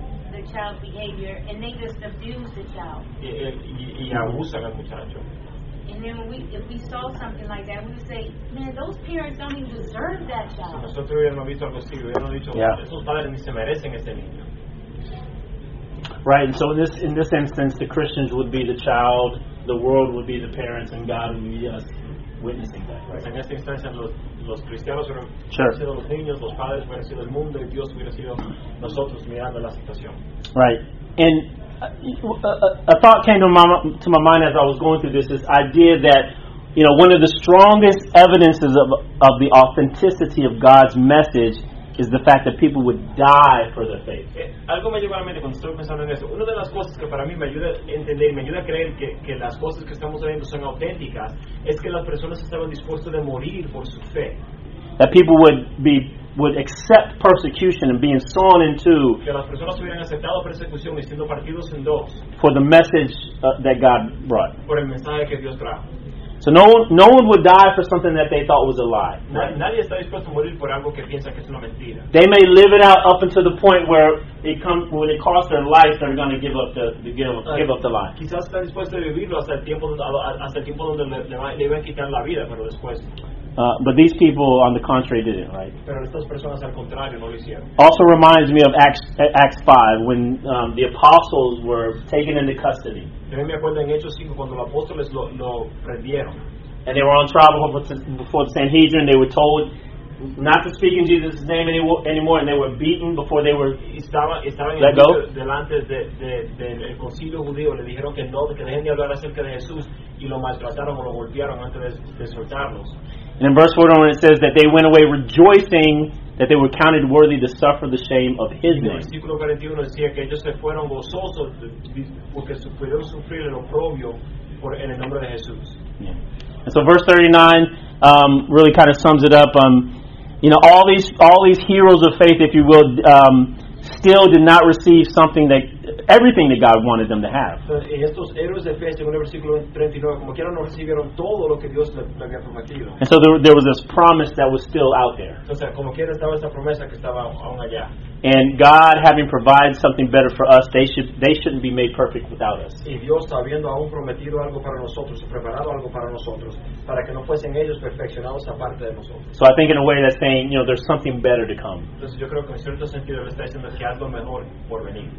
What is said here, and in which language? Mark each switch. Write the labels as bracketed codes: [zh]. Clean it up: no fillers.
[en] The child's behavior, and they just abuse the child. [es] Y abusan al muchacho. [en] And then if we saw something like that, we would say, man, those parents don't even deserve that child. [es] Nosotros hubiéramos visto algo así, hubiéramos dicho, esos padres ni se merecen ese niño. [en] Right, and so in this instance, the Christians would be the child, the world would be the parents, and God would be us witnessing that. [es] En esta instancia, los cristianos hubieran sido los niños, los padres hubieran sido el mundo, y Dios hubiera sido nosotros mirando la situación. [en] Right, and a thought came to my mind as I was going through this idea that, you know, one of the strongest evidences of the authenticity of God's message is the fact that people would die for their faith. [es] Algo me llegó a la mente cuando estoy pensando en eso. Una de las cosas que para mí me ayuda a entender, me ayuda a creer que las cosas que estamos viendo son auténticas, es que las personas estaban dispuestas a morir por su fe. [en] That people would accept persecution and being sawn in two, [es] que las personas hubieran aceptado persecución y siendo partidos en dos, [en] for the message that God brought. [es] Por el mensaje que Dios trajo. [en] So no one would die for something that they thought was a lie. [es] Nadie está dispuesto a morir por algo que piensa que es una mentira. [en] They may live it out up until the point where when it costs their life, they're going to give up the lie. [es] Quizás están dispuestos a vivirlo hasta el tiempo donde le van a quitar la vida, pero después. [en] But these people, on the contrary, didn't, right? [es] Pero estas personas, al contrario, no lo hicieron. [en] Also reminds me of Acts 5, when the apostles were taken into custody. [es] También me acuerdo en Hechos 5, cuando los apóstoles lo prendieron. [en] And they were on trial before the Sanhedrin. They were told not to speak in Jesus' name anymore, and they were beaten before they were let go. [es] Delante del concilio judío, le dijeron que no, que dejen de hablar acerca de Jesús, y lo maltrataron o lo golpearon antes de soltarlos. [en] And in verse 41 it says that they went away rejoicing that they were counted worthy to suffer the shame of his name. [es] Versículo 41 decía que ellos se fueron gozosos porque pudieron sufrir el oprobio en el nombre de Jesús. [en] And so verse 39 really kind of sums it up. You know, all these heroes of faith, if you will, still did not receive everything that God wanted them to have. [es] Estos héroes de fe, según el versículo 39, como quieran, no recibieron todo lo que Dios les había prometido. [en] And so there was this promise that was still out there. [es] O sea, como quieran, estaba esa promesa que estaba aún allá. [en] And God, having provided something better for us, they shouldn't be made perfect without us. [es] Y Dios, habiendo aún prometido algo para nosotros, preparado algo para nosotros, para que no fuesen ellos perfeccionados aparte de nosotros. [en] So I think in a way that's saying, you know, there's something better to come. [es] Entonces yo creo que en cierto sentido le está diciendo que algo mejor por venir.